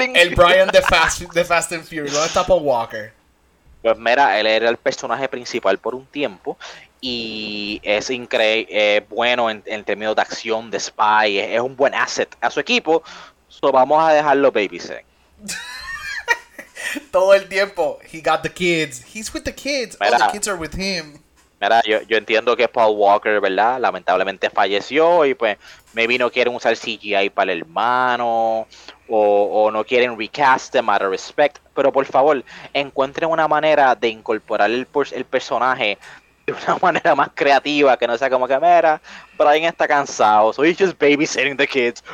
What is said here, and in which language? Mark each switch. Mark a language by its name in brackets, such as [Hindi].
[Spanish] el Brian de Fast and Furious, ¿dónde está Paul Walker? Pues mira, él era el personaje principal por un tiempo y es increíble, bueno en términos de acción, de spy, es un buen asset a su equipo. So vamos a dejarlo babysitting. Todo el tiempo, [English] he got the kids, he's with the kids, [Spanish] mira, [English] all the kids are with him. [Spanish] Mira, yo entiendo que Paul Walker, ¿verdad? Lamentablemente falleció y pues maybe no quieren usar CGI para el hermano o no quieren [English] recast them out of respect. [Spanish] Pero por favor, encuentren una manera de incorporar el personaje de una manera más creativa, que no sea como que, mira, Brian está cansado, [English] so he's just babysitting the kids.